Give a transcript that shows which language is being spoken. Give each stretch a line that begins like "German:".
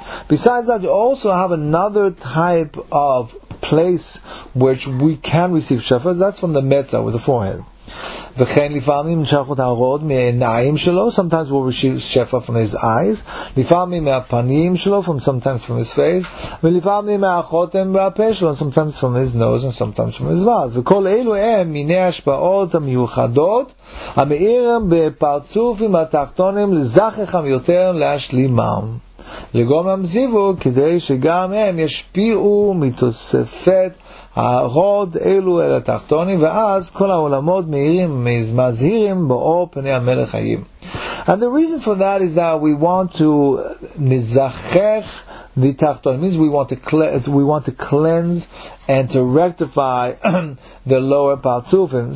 English: Besides that, you also have another type of place which we can receive שפע, that's from the מצר, with the forehead.
Hebrew: וכן לפעמים נשלחות הרעות מעיניים שלו,
English: sometimes we'll receive שפע from his eyes,
Hebrew: לפעמים מהפנים שלו,
English: sometimes from his face,
Hebrew: ולפעמים מהחותם והפה שלו,
English: sometimes from his nose and sometimes from his mouth.
Hebrew: וכל אלו הם מיני השפעות המיוחדות המאירים בפרצופים התחתונים לזכחם יותר להשלימם. לגום המזיבו כדי שגם הם ישפיעו מתוספת הרוד אלו אל התחתונים, ואז כל העולמות מאירים מזהירים באור פני המלך חיים.
English: And the reason for that is that we want to nizachech the tachton. It means we want to cleanse and to rectify the lower paltzufim.